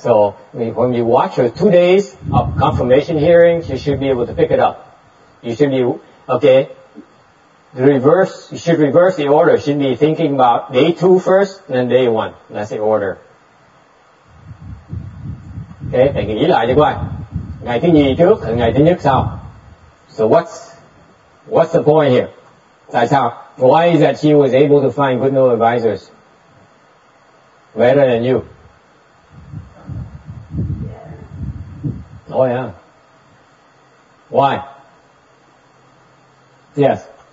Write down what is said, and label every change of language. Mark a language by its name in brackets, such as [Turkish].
[English] So when you watch her 2 days of confirmation hearing, she should be able to pick it up. You should reverse the order. You should be thinking about day two first, then day one. That's the order. [Vietnamese] Okay, phải nghĩ lại chứ quay. Ngày thứ nhì trước, ngày thứ nhất sau. [English] So what's What's the point here? That's how. Why is that she was able to find good noble advisors better than you? Oh yeah. Why? Yes.